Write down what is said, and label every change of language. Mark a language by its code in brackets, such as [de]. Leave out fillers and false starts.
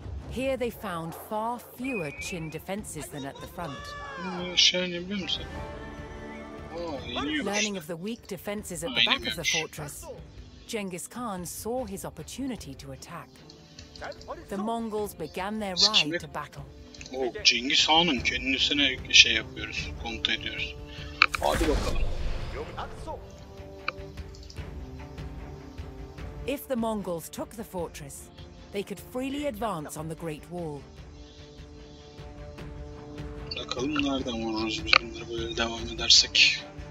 [en] Here they found far fewer Çin defenses than at the front. [tr] Şahane, biliyor musun? [en] Learning of the weak defenses at the back of the fortress, Genghis Khan saw his opportunity to attack. The Mongols began their ride to battle. [tr] Oh, Genghis Khan'ın kendisine şey yapıyoruz, komuta ediyoruz. Hadi bakalım. [en] If the Mongols took the fortress, they could freely advance on the Great Wall. [tr] Bakalım nereden vururuz biz bunları böyle devam edersek.